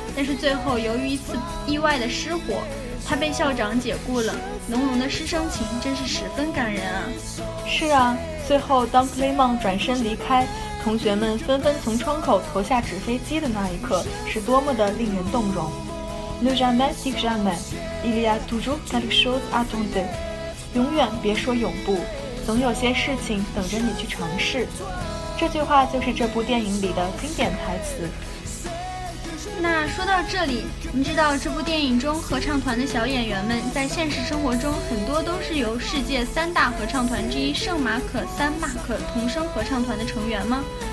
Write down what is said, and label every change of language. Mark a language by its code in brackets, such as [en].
[zh] 但是最后由于一次意外的失火，他被校长解雇了。浓浓的师生情真是十分感人啊。是啊，最后当 Clément 转身离开，同学们纷纷从窗口投下纸飞机的那一刻，是多么的令人动容。 [fr] Ne jamais dire jamais, il y a toujours quelque chose à attendre. [zh] 永远别说永不，总有些事情等着你去尝试。这句话就是这部电影里的经典台词。那说到这里，你知道这部电影中合唱团的小演员们在现实生活中很多都是由世界三大合唱团之一圣马可·三马可童声合唱团的成员吗？